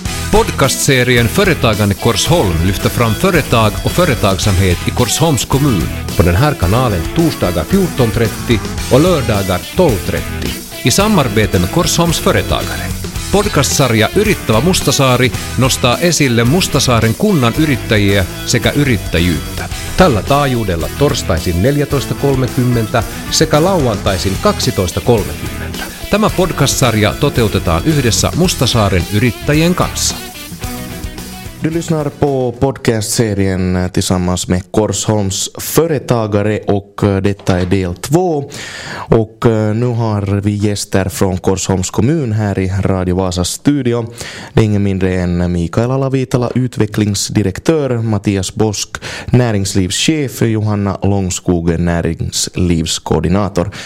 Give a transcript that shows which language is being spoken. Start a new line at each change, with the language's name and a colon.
Swedish: podcastserien Företagande Korsholm lyfter fram företag och företagsamhet i Korsholms kommun på den här kanalen torsdagar 14.30 och lördagar 12.30 i samarbete med Korsholms företagare.
Finnish: Podcastsarja Yrittävä Mustasaari nostaa esille Mustasaaren kunnan yrittäjiä sekä yrittäjyyttä. Tällä taajuudella torstaisin 14.30 sekä lauantaisin 12.30. Tämä podcast-sarja toteutetaan yhdessä Mustasaaren yrittäjien kanssa.
Swedish: Du lyssnar på podcast-serien tillsammans med Korsholms företagare och detta är del 2. Och nu har vi gäster från Korsholms kommun här i Radio Vasas studio. Det är ingen mindre än Mikael Alavitala, utvecklingsdirektör, Mattias Bosk, näringslivschef, Johanna Långskog, näringslivskoordinator.